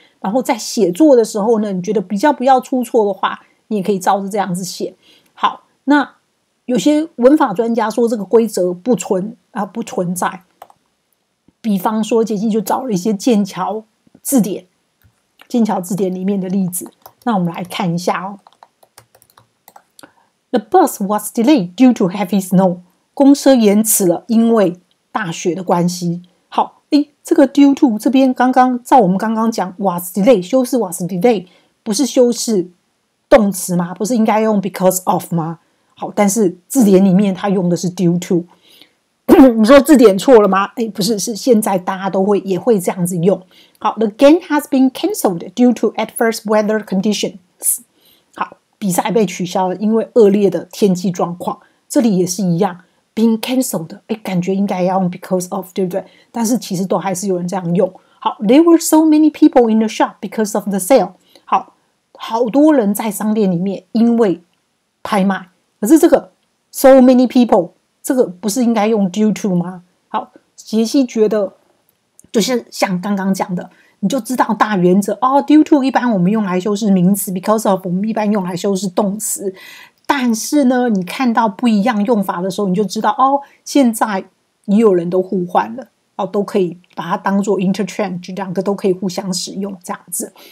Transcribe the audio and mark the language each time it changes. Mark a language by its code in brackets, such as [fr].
[zh] 然后在写作的时候呢，你觉得比较不要出错的话，你也可以照着这样子写。好，那有些文法专家说这个规则不存在。比方说杰西就找了一些剑桥字典，剑桥字典里面的例子，那我们来看一下哦。 [en] The bus was delayed due to heavy snow。 [zh] 公车延迟了，因为大雪的关系。好，诶，这个 due to 这边刚刚照我们刚刚讲 was delay 修饰 was delay 不是修饰动词吗？不是应该用 because of 吗？好，但是字典里面它用的是 due to。你说字典错了吗？诶，不是，是现在大家都会也会这样子用。 [en] 好， the game has been cancelled due to adverse weather conditions。 [zh] 好，比赛被取消了，因为恶劣的天气状况。这里也是一样， being cancelled， 感觉应该要用 because of， 对不对？但是其实都还是有人这样用。 [en] 好， there were so many people in the shop because of the sale， [zh] 好，好多人在商店里面因为拍卖。可是这个 so many people， 这个不是应该用 due to 吗？好，杰西觉得就是像刚刚讲的，你就知道大原则哦。 due to 一般我们用来修饰名词， because of 我们一般用来修饰动词，但是呢你看到不一样用法的时候，你就知道哦，现在也有人都互换了哦，都可以把它当作 interchange， 两个都可以互相使用这样子。